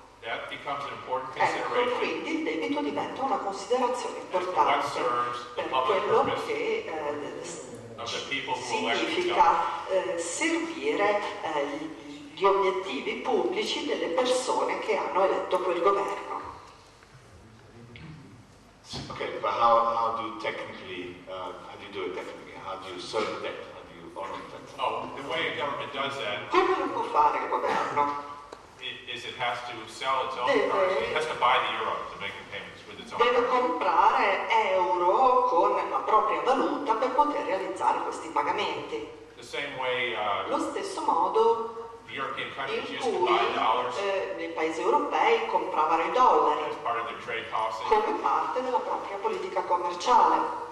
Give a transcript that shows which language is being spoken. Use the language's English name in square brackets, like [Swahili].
[Italian] Ecco, quindi il debito diventa una considerazione importante per quello che significa servire gli obiettivi pubblici delle persone che hanno eletto quel governo. [English] Okay, but how do you technically how do you do it technically? How do you serve debt? How do you borrow debt? Oh, the way a government does that. [Italian] Come lo può fare il governo? [English] Is it has to sell its own currency? It has to buy the euro to make the payments with its own. [Italian] Deve comprare euro con la propria valuta per poter realizzare questi pagamenti. [English] The same way. [Italian] Lo stesso modo. [English] The European countries used to buy dollars. [Italian] Nei paesi europei compravano i dollari. [English] As part of their trade policy. [Italian] Come parte della propria politica commerciale.